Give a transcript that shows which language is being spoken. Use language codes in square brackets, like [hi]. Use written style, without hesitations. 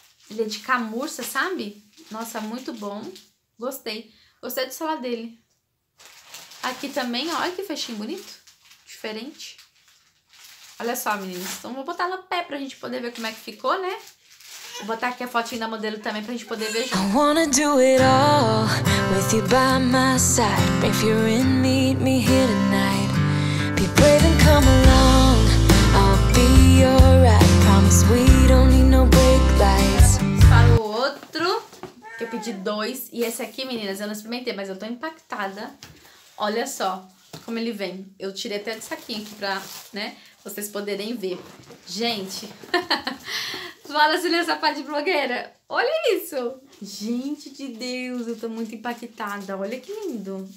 [pt] Ele é de camurça, sabe? Nossa, muito bom. Gostei. Gostei do solado dele. Aqui também, olha que fechinho bonito. Diferente. Olha só, meninas. Então, vou botar no pé pra gente poder ver como é que ficou, né? Vou botar aqui a fotinha da modelo também pra gente poder ver. [en] I wanna do it all with you by my side. If you're in, meet me here tonight. Be brave and come along. I'll be your ride. Promise we don't need no brake lights. [pt] Para o outro... Que eu pedi dois. E esse aqui, meninas, eu não experimentei, mas eu tô impactada. Olha só como ele vem. Eu tirei até de saquinho aqui pra, né, vocês poderem ver. Gente. Fala, Silvia, sapato de blogueira. Olha isso. Gente de Deus, eu tô muito impactada. Olha que lindo.